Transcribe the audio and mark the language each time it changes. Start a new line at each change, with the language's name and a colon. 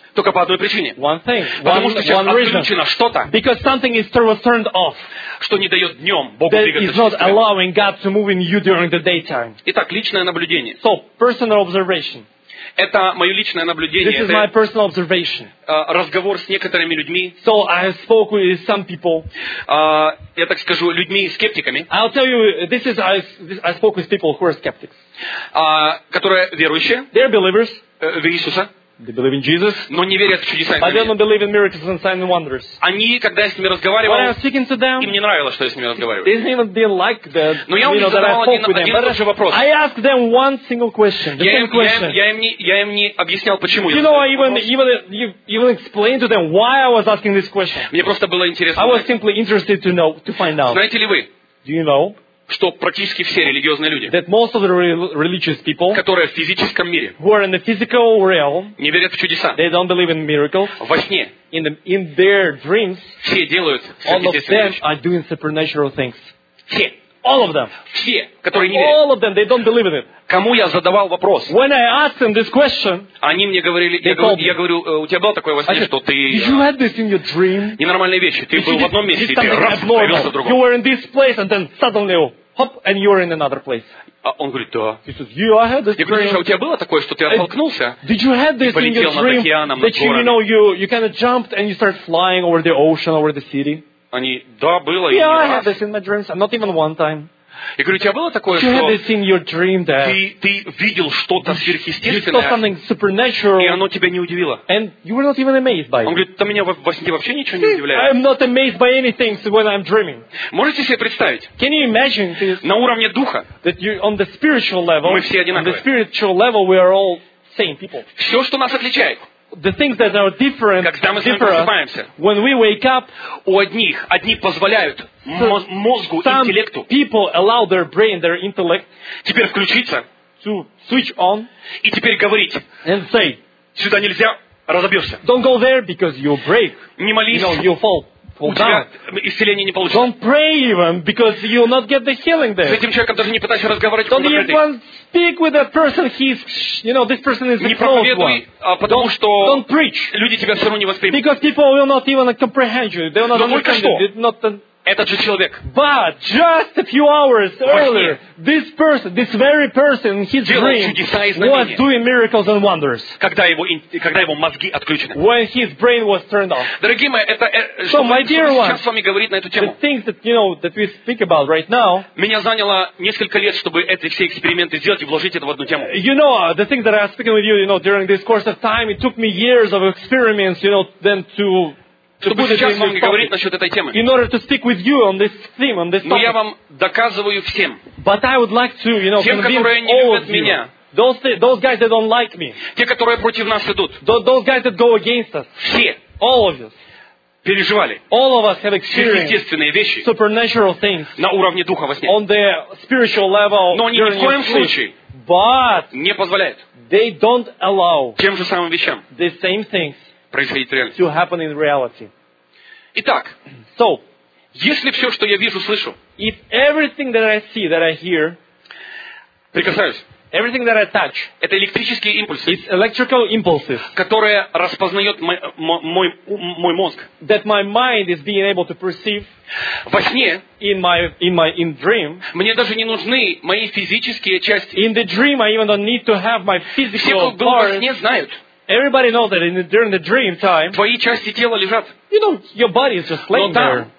Russian: Только по одной причине.
English: One thing.
Russian: Потому что сейчас отключено что-то.
English: Because something is turned off.
Russian: Что не дает днем Богу
English: that
Russian: двигаться.
English: That is not allowing God to move in you during the daytime.
Russian: Итак, личное наблюдение.
English: So, personal observation.
Russian: Это мое личное наблюдение.
English: This is my personal observation.
Russian: Разговор с некоторыми людьми.
English: So, I have spoken with some people.
Russian: Я так скажу, людьми скептиками.
English: I'll tell you, this is I spoke with people who are skeptics.
Russian: Которые верующие.
English: They're believers.
Russian: В Иисуса.
English: They believe in Jesus,
Russian: но не верят в чудеса.
English: But they don't believe in miracles and signs and wonders.
Russian: Они, когда я с ними разговаривал,
English: when I was speaking to them,
Russian: им не нравилось, что я с ними разговариваю.
English: They didn't even like the,
Russian: но я у них задавал один тот же вопрос.
English: I asked them one single question.
Russian: Я им не объяснял, почему.
English: You know, I even explained to them why I was asking this question.
Russian: Мне просто было интересно.
English: I was simply interested to know, to find out.
Russian: Знаете ли вы?
English: Do you know?
Russian: Что практически все религиозные люди,
English: that most of the religious people,
Russian: которые в физическом мире,
English: who are in the physical realm,
Russian: не верят в чудеса,
English: they don't believe in miracles,
Russian: во сне,
English: in their dreams,
Russian: все делают
English: supernatural things.
Russian: Все.
English: All of them.
Russian: Все, которые не верят.
English: All of them, they don't believe in it.
Russian: Кому я задавал вопрос?
English: When I asked them this question,
Russian: они мне говорили, я говорю, у тебя было такое во сне,
English: said,
Russian: что ты
English: you had this in your dream?
Russian: Ненормальные вещи. Ты
English: you
Russian: был в одном месте, и ты раз появился в другом.
English: You were in this place, and then suddenly, hop, and you were in another place.
Russian: Он говорит, да.
English: He says, yeah, I had this
Russian: я говорю, а у тебя было такое, что ты оттолкнулся?
English: Did you have this in your dream? That you, you know, you kind of jumped and you started flying over the ocean, over the city?
Russian: Они, да, было, и не
English: I
Russian: раз.
English: Had this in my dreams, not even one time.
Russian: Я говорю, у тебя было такое, что ты видел что-то сверхъестественное, и оно тебя не удивило.
English: And you were not even amazed by it.
Russian: Он говорит, ты меня во сне вообще ничего не удивляет.
English: I'm not amazed by anything when I'm dreaming.
Russian: Можете себе представить?
English: Can you imagine this,
Russian: на уровне духа
English: that you, on the spiritual level,
Russian: мы все одинаковые.
English: On the spiritual level, we are all same people.
Russian: Все, что нас отличает,
English: the things that are different,
Russian: когда мы просыпаемся,
English: when we wake up,
Russian: у одних одни позволяют мозгу,
English: some
Russian: интеллекту,
English: people allow their brain, their intellect,
Russian: теперь включиться,
English: to switch on,
Russian: и теперь говорить,
English: and say,
Russian: сюда нельзя, разобьешься,
English: don't go there because you'll break,
Russian: не молись,
English: you know, you'll fall,
Russian: получать исцеление не получить.
English: Don't pray even because you'll not get the healing there.
Russian: С этим человеком даже не пытайся разговаривать.
English: Don't even speak with that person. He's, you know, this person is
Russian: не проповедуй, потому что
English: don't preach.
Russian: Люди тебя все равно не воспримут.
English: Because people will not even comprehend you. They will not understand you.
Russian: Этот же человек.
English: But just a few hours earlier, this person, this very person, his dream was doing miracles and wonders.
Russian: Когда его мозги отключены.
English: When his brain was turned off.
Russian: Дорогие мои, это
English: so my dear one,
Russian: сейчас с вами говорит на эту тему.
English: The things that, you know, that we speak about right now.
Russian: Меня заняло несколько лет, чтобы эти все эксперименты сделать и вложить это в одну тему.
English: You know, the things that I was speaking with you, you know, during this course of time, it took me years of experiments, you know, then to
Russian: чтобы сейчас вам говорить насчет этой темы.
English: In order to speak with you on this theme, on this topic.
Russian: Но я вам доказываю всем.
English: But I would like to, you know,
Russian: тем, которые не любят меня.
English: Those guys that don't like me.
Russian: Те, которые против нас идут.
English: Those guys that go against us.
Russian: Все.
English: All of us.
Russian: Переживали.
English: All of us have experienced supernatural things.
Russian: На уровне духа во сне.
English: On the spiritual level.
Russian: Но они ни в коем случае.
English: But.
Russian: Не позволяют.
English: They don't allow.
Russian: Тем же самым вещам.
English: The same things. To happen in reality.
Russian: Итак,
English: so,
Russian: если все, что я вижу, слышу,
English: if everything that I see, that I hear,
Russian: прикасаюсь,
English: everything that I touch,
Russian: это электрические импульсы,
English: it's electrical impulses,
Russian: которые распознает мой мозг,
English: that my mind is being able to perceive,
Russian: во сне,
English: in dream,
Russian: мне даже не нужны мои физические части,
English: in the dream I even don't need to have my physical parts.
Russian: Все, кто был во сне, знают.
English: Everybody knows that during the dream time,
Russian: твои части тела лежат.
English: You know, your body is just laying there.